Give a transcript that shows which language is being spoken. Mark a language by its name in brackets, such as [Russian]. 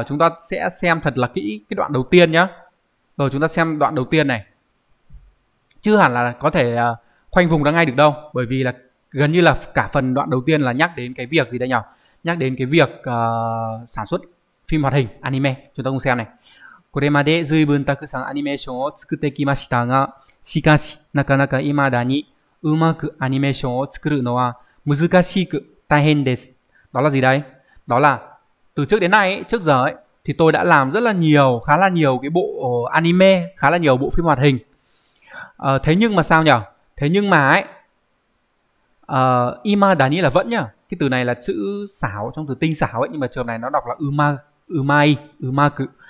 [Vietnamese] Chúng ta sẽ xem thật là kỹ cái đoạn đầu tiên nhé. Rồi chúng ta xem đoạn đầu tiên này. Chưa hẳn là có thể khoanh vùng ra ngay được đâu. Bởi vì là gần như là cả phần đoạn đầu tiên là nhắc đến cái việc gì đây nhỉ? Nhắc đến cái việc sản xuất phim hoạt hình, anime. Chúng ta cùng xem này. [Japanese] これまで随分たくさんアニメーションを作ってきましたが、しかし、なかなか未だにうまくアニメーションを作るのは難しく大変です。 [Vietnamese] Đó là gì đấy? Đó là từ trước đến nay ấy, trước giờ ấy, thì tôi đã làm rất là nhiều, khá là nhiều cái bộ anime, khá là nhiều bộ phim hoạt hình. Thế nhưng mà sao nhỉ? Thế nhưng mà ấy, imadani là vẫn nhá. Cái từ này là chữ xảo trong từ tinh xảo ấy, nhưng mà trường này nó đọc là umaku.